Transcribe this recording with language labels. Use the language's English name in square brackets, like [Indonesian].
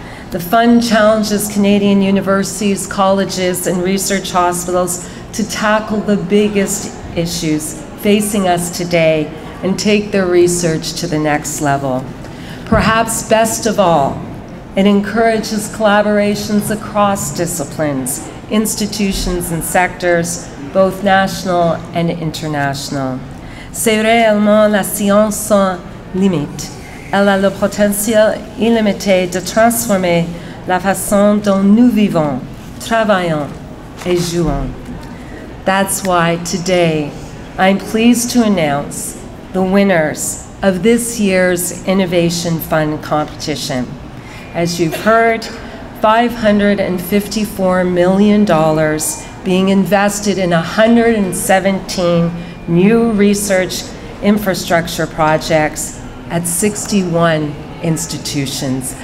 [English] The fund challenges Canadian universities, colleges, and research hospitals to tackle the biggest issues facing us today and take their research to the next level. Perhaps best of all, it encourages collaborations across disciplines, institutions, and sectors, both national and international. [French] C'est réellement la science sans limite. Elle a le potentiel illimité de transformer la façon dont nous vivons, travaillons, et jouons. [English] That's why today I'm pleased to announce the winners of this year's Innovation Fund competition. As you've heard, $554 million being invested in 117 new research infrastructure projects at 61 institutions.